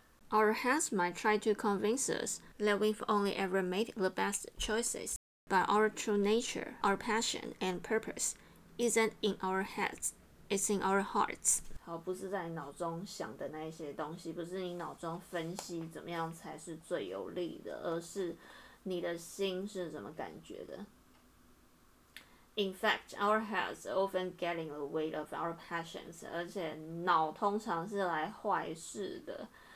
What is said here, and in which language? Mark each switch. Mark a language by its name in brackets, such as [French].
[English] Our heads might try to convince us that we've only ever made the best choices, but our true nature, our passion and purpose isn't in our heads, it's in our hearts. [Chinese] 好，不是在你脑中想的那些东西，不是你脑中分析怎么样才是最有利的，而是你的心是怎么感觉的。 [English] In fact, our heads often get in the way of our passions. [Chinese] 而且脑通常是来坏事的。